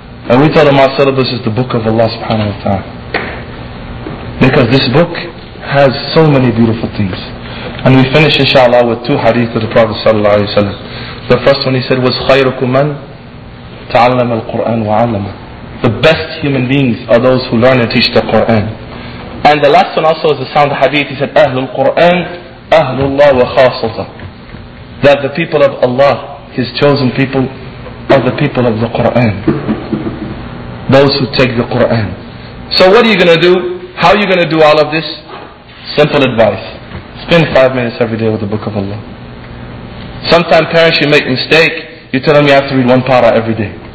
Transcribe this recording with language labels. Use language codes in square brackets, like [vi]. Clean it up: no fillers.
[en] And we tell them our syllabus is the book of Allah subhanahu wa ta'ala. Because this book has so many beautiful things. And we finish inshallah with two hadith of the Prophet sallallahu alayhi wa sallam. The first one he said was, [ar] خَيْرُكُمْ مَنْ تَعَلَّمَ الْقُرْآنَ وَعَلَّمَ. [en] The best human beings are those who learn and teach the Qur'an. And the last one also is a sound hadith. He said, [ar] أَهْلُ الْقُرْآنَ أَهْلُ اللَّهُ وَخَاصَتَهُ. [en] That the people of Allah, His chosen people, are the people of the Qur'an. Those who take the Qur'an. So what are you going to do? How are you going to do all of this? Simple advice. Spend 5 minutes every day with the book of Allah. Sometimes parents, you make a mistake. You tell them you have to read one para every day.